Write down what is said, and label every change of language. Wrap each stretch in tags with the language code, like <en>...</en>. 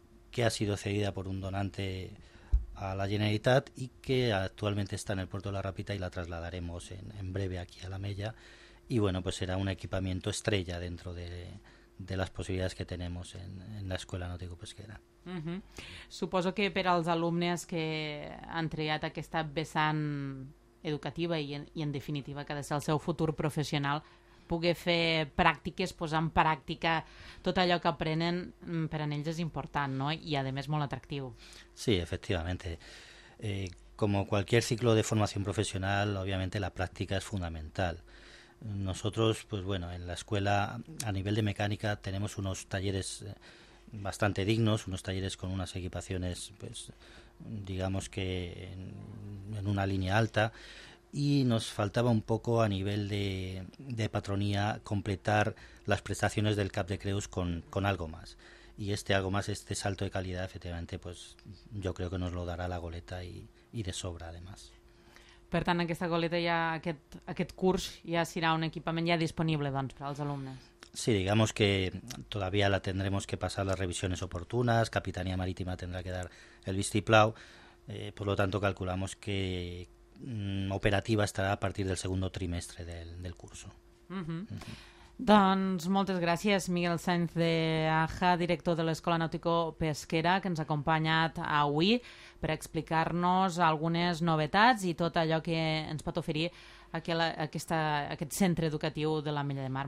<es>que ha sido cedida por un donante a la Generalitat y que actualmente está en el puerto de la Rapita, y la trasladaremos en breve aquí a la Mella. Y bueno, pues será un equipamiento estrella dentro de las posibilidades que tenemos en la Escuela Náutico Pesquera. Uh-huh.</es> <ca>Suposo que per als alumnes que han triat aquesta vessant educativa i en definitiva que ha de ser el seu futur professional, poder fer pràctiques, posar en pràctica tot allò que aprenen, per a ells és important, no? I a més molt atractiu.</ca> <es>Sí, efectivamente. Como cualquier ciclo de formación profesional, obviamente la práctica es fundamental. Nosotros, pues bueno, en la escuela a nivel de mecánica tenemos unos talleres bastante dignos, unos talleres con unas equipaciones, pues digamos que en una línea alta, y nos faltaba un poco a nivel de patronía completar las prestaciones del CAP de Creus con algo más. Y este algo más, este salto de calidad, efectivamente, pues yo creo que nos lo dará la goleta y de sobra, además.</es> <ca>Per tant, aquesta goleta, ja, aquest curs ja serà un equipament ja disponible, doncs, per als alumnes.</ca> <es>Sí, digamos que todavía la tendremos que pasar las revisiones oportunas, Capitanía Marítima tendrá que dar el vistiplau, por lo tanto calculamos que operativa estará a partir del segundo trimestre del curso.</es> <ca>Doncs moltes gràcies, Miguel Sainz de Aja, director de l'Escola Nàutico-Pesquera, que ens ha acompanyat avui per explicar-nos algunes novetats i tot allò que ens pot oferir aquest centre educatiu de l'Ametlla de Mar.</ca>